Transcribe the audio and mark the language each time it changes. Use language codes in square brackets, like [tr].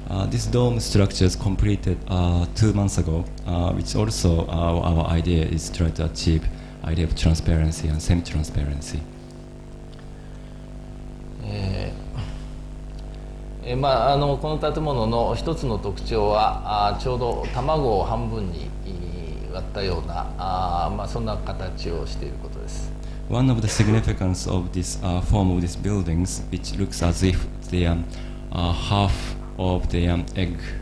[en] This dome structure is completed two months ago, which also our idea is to try to achieve idea of transparency and semi-transparency. [ja] まあ、この建物の一つの特徴は、ちょうど卵を半分に割ったような、まあ、そんな形をしていることです。 [en] One of the significance of this form of these buildings, which looks as if they are halfOf the egg.